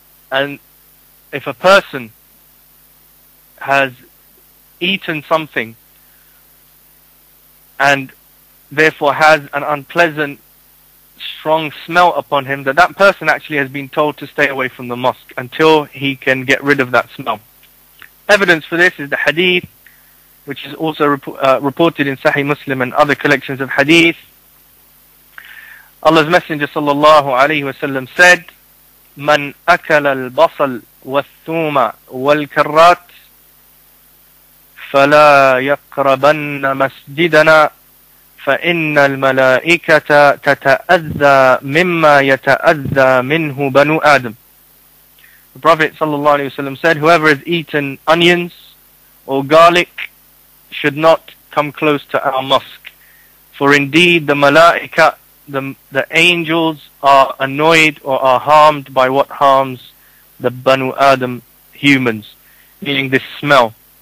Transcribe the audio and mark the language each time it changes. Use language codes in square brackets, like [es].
[en] And if a person has eaten something and therefore has an unpleasant strong smell upon him, that person actually has been told to stay away from the mosque until he can get rid of that smell. Evidence for this is the hadith, which is also reported in Sahih Muslim and other collections of hadith. Allah's Messenger sallallahu alayhi wa sallam said, [ar] من أكل البصل والثوم والكرات فلا يقربن مسجدنا فإن الملائكة تتأذى مما يتأذى منه بنو آدم. [en] The Prophet ﷺ said, whoever has eaten onions or garlic should not come close to our mosque. For indeed the malaika, the angels, are annoyed or are harmed by what harms the Banu Adam humans, meaning this smell.